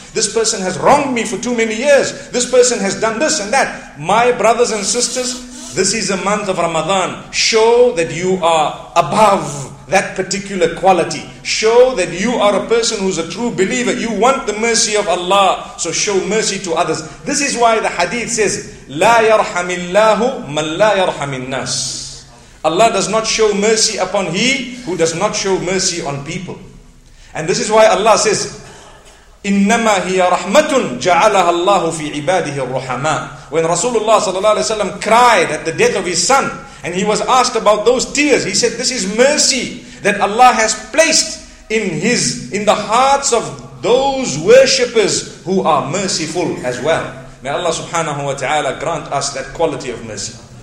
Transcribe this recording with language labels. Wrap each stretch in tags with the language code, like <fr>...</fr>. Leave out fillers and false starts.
<en>This person has wronged me for too many years. This person has done this and that. My brothers and sisters, this is a month of Ramadan. Show that you are above that particular quality. Show that you are a person who's a true believer. You want the mercy of Allah, so show mercy to others. This is why the hadith says,</en> <ar>لَا يَرْحَمِ اللَّهُ مَنْ لَا يَرْحَمِ النَّاسِ.</ar> <en>Allah does not show mercy upon he who does not show mercy on people. And this is why Allah says,</en> <ar>إِنَّمَا هِيَ رَحْمَةٌ جَعَلَهَا اللَّهُ فِي عِبَادِهِ الرَّحَمَانِ.</ar> <en>When Rasulullah sallallahu alaihi wasallam cried at the death of his son, and he was asked about those tears, he said, this is mercy that Allah has placed in the hearts of those worshippers who are merciful as well. May Allah subhanahu wa ta'ala grant us that quality of mercy.</en>